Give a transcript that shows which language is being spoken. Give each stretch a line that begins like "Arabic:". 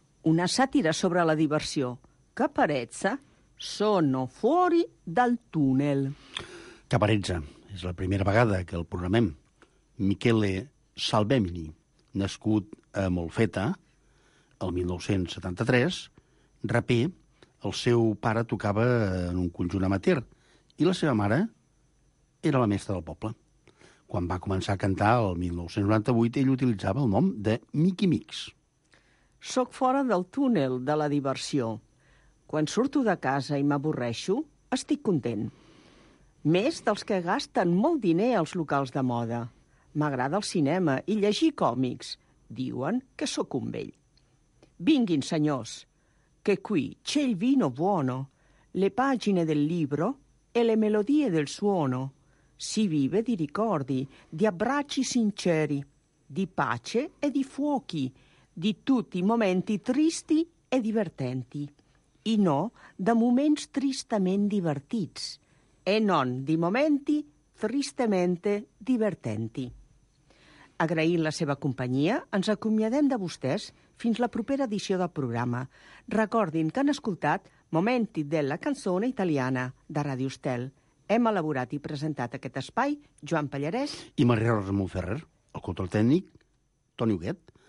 Catalan: Una sàtira sobre la diversió.
Italian: Caparezza, sono fuori dal tunnel.
Catalan: Caparezza, és la primera vegada que el programem. Michele Salvemini, nascut a Molfetta el 1973, raper, el seu pare tocava en un conjunt amateur i la seva mare era la mestra del poble. Quan va començar a cantar el 1998, ell utilitzava el nom de Mickey Mix. Soc fora del túnel de la diversió. Quan surto de casa i m'avorreixo, estic content. Més dels que gasten molt diner als locals de moda. M'agrada el cinema i llegir còmics. Diuen que sóc un vell. Vinguin, senyors, que
Italian: qui c'è il vino buono, le pagine del libro e le melodie del suono. Si vive di ricordi, di abbracci sinceri, di pace e di fuochi, di tutti i momenti tristi e divertenti,
Catalan: i no de moments tristament divertits,
Italian: e non di momenti tristemente divertenti.
Catalan: Agraint la seva companyia, ens acomiadem de vostès fins la propera edició del programa. Recordin que han escoltat Momenti della canzone italiana de Ràdio Estel. Hem elaborat i presentat aquest espai Joan Pallarès i Maria Ramon Ferrer, el control tècnic Toni Huguet.